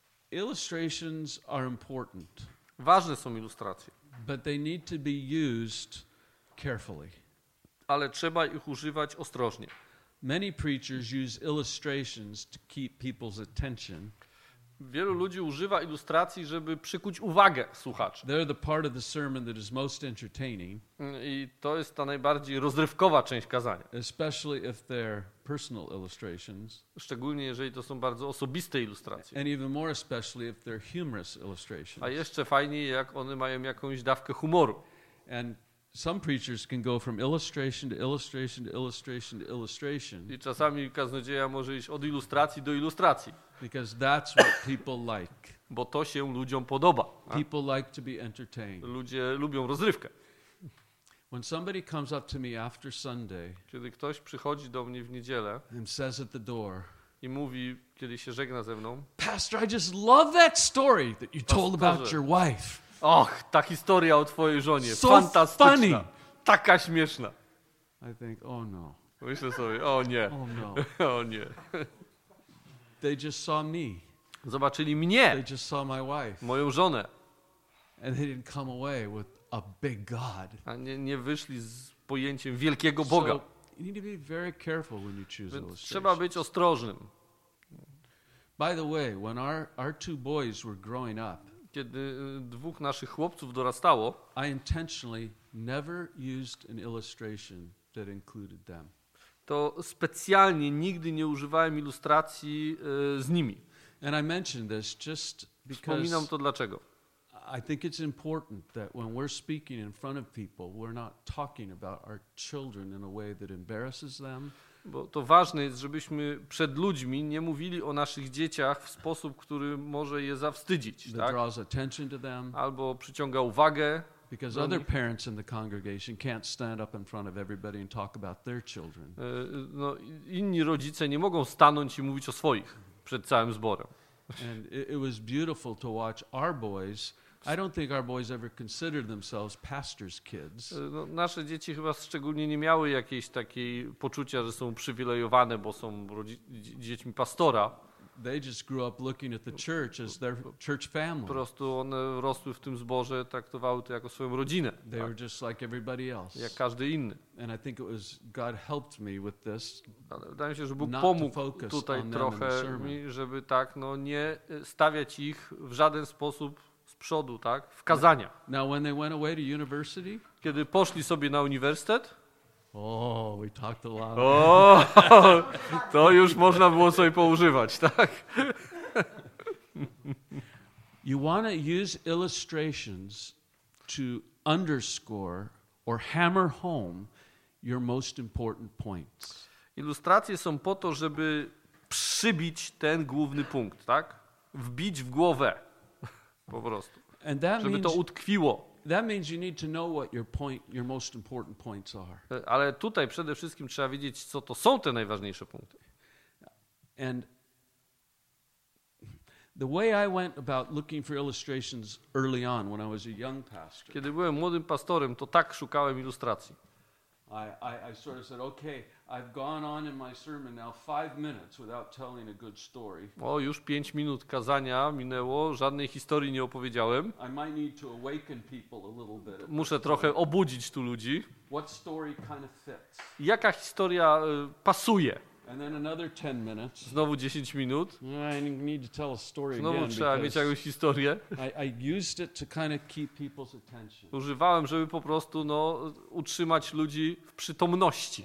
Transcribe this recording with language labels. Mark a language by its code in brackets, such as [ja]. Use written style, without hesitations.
[en] Illustrations are important. [pl] Ważne są ilustracje. [en] But they need to be used carefully. [pl] Ale trzeba ich używać ostrożnie. [en] Many preachers use illustrations to keep people's attention. [pl] Wielu ludzi używa ilustracji, żeby przykuć uwagę słuchaczy. [en] They're the part of the sermon that is most entertaining. [pl] I to jest ta najbardziej rozrywkowa część kazania. [en] Especially if they're personal illustrations. [pl] Szczególnie jeżeli to są bardzo osobiste ilustracje. [en] And even more especially if they're humorous illustrations. [pl] A jeszcze fajniej, jak one mają jakąś dawkę humoru. [en] And some preachers can go from illustration to illustration to illustration to illustration. [pl] I czasami kaznodzieja może iść od ilustracji do ilustracji. [en] Because that's what people like. [pl] Bo to się ludziom podoba. [en] People like to be entertained. [pl] Ludzie lubią rozrywkę. [en] When somebody comes up to me after Sunday, [pl] kiedy ktoś przychodzi do mnie w niedzielę [en] and says at the door, [pl] i mówi, kiedy się żegna ze mną, [en] Pastor, I just love that story that you told about your wife. [pl] Och, ta historia o twojej żonie, [en] so [pl] fantastyczna, [en] funny. [pl] Taka śmieszna. [en] I think, oh no. [pl] Myślę sobie, o nie. [en] Oh no. [pl] O nie. [en] They just saw me. [pl] Zobaczyli mnie. [en] They just saw my wife. [pl] Moją żonę. [en] And they didn't come away with a big God. [pl] A nie wyszli z pojęciem wielkiego Boga. [en] So, you need to be very careful when you choose illustrations. [pl] Trzeba być ostrożnym. [en] By the way, when our two boys were growing up, [pl] kiedy dwóch naszych chłopców dorastało, [en] I intentionally never used an illustration that included them. [pl] To specjalnie nigdy nie używałem ilustracji z nimi. [en] And I mentioned this just because [pl] wspominam to dlaczego. [en] I think it's important that when we're speaking in front of people, we're not talking about our children in a way that embarrasses them. [pl] Bo to ważne jest, żebyśmy przed ludźmi nie mówili o naszych dzieciach w sposób, który może je zawstydzić, tak? [en] Draws attention to them. [pl] Albo przyciąga uwagę. [en] Because other parents in the congregation can't stand up in front of everybody and talk about their children. [pl] No, inni rodzice nie mogą stanąć i mówić o swoich przed całym zborem. [en] And it was beautiful to watch our boys. I don't think our boys ever considered themselves pastor's kids. [pl] No, nasze dzieci chyba szczególnie nie miały jakiejś takiej poczucia, że są uprzywilejowane, bo są dziećmi pastora. [en] They just grew up looking at the church as their church family. [pl] Po prostu one rosły w tym zborze, traktowały to jako swoją rodzinę. [en] They were just like everybody else. [pl] Jak każdy inny. [en] And I think it was God helped me with this. [pl] Wydaje mi się, że Bóg pomógł tutaj trochę mi, żeby tak, no nie stawiać ich w żaden sposób z przodu, tak, w kazania. [en] Now when they went away to university? [pl] Kiedy poszli sobie na uniwersytet? [en] Oh, we talked a lot. [pl] Oh, to już można było sobie poużywać, tak? [en] You want to use illustrations to underscore or hammer home your most important points. [pl] Ilustracje są po to, żeby przybić ten główny punkt, tak? Wbić w głowę po prostu. [en] And that [pl] żeby [en] means [pl] to utkwiło. [en] That means you need to know what your most important points are. [pl] Ale tutaj przede wszystkim trzeba wiedzieć, co to są te najważniejsze punkty. [en] And the way I went about looking for illustrations early on when I was a young pastor. [pl] Kiedy byłem młodym pastorem, to tak szukałem ilustracji. [en] I sort of said, okay, I've gone on in my sermon now 5 minutes without telling a good story. [pl] O, już 5 minut kazania minęło, żadnej historii nie opowiedziałem. [en] I might need to awaken people a little bit. [pl] Muszę trochę obudzić tu ludzi. [en] What story kind of fits? [pl] Jaka historia pasuje? [en] And then another 10 minutes. [pl] Znowu 10 minut. [en] I need to tell a story. [pl] Znowu [en] again, [pl] trzeba mieć jakąś historię. [en] I used it to kind of keep people's attention. [pl] Używałem, żeby po prostu no, utrzymać ludzi w przytomności.